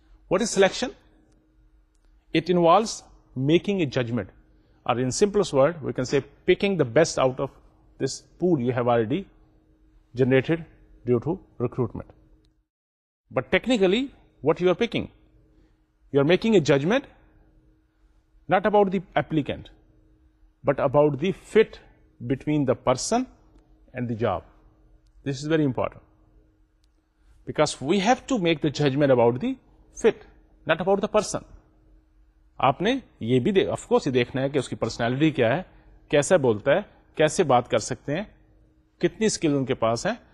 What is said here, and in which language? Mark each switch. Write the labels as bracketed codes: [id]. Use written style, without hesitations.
[en] What is selection? It involves making a judgment. Or in simplest word, we can say picking the best out of this pool you have already generated due to recruitment. But technically, what you are picking? You are making a judgment not about the applicant, but about the fit between the person and the job. This is very important. Because we have to make the judgment about the fit, not about the person. [ur] آپ نے یہ بھی of course یہ دیکھنا ہے کہ اس کی personality کیا ہے, کیسا بولتا ہے, کیسے بات کر سکتے ہیں, کتنی اسکل ان کے پاس ہیں.